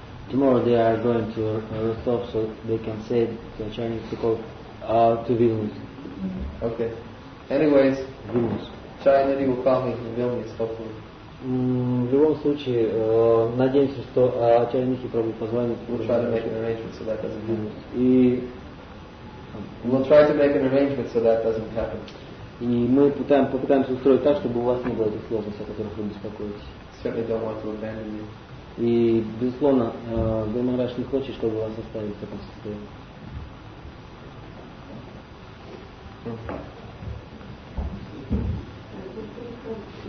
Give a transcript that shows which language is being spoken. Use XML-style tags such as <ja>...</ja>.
<en>Tomorrow they are going to Rostov, so they can say the Chinese to call to Vilnius. Okay. Anyways, Vilnius. China, they will call me in Vilnius, hopefully.</en> <ru>В любом случае, надеемся, что Чайники пробуют позвонить.</ru> <en>We'll try to make an arrangement so that doesn't happen.</en> <ru>И</ru> <en>we'll try to make an arrangement so that doesn't happen.</en> <ru>И мы попытаемся устроить так, чтобы у вас не было этих сложностей, о которых вы беспокоитесь.</ru> <en>Certainly don't want to abandon you.</en> <ru>И, безусловно, Гурмараш не хочет, чтобы вас оставили в таком состоянии.</ru> <en>Okay.</en>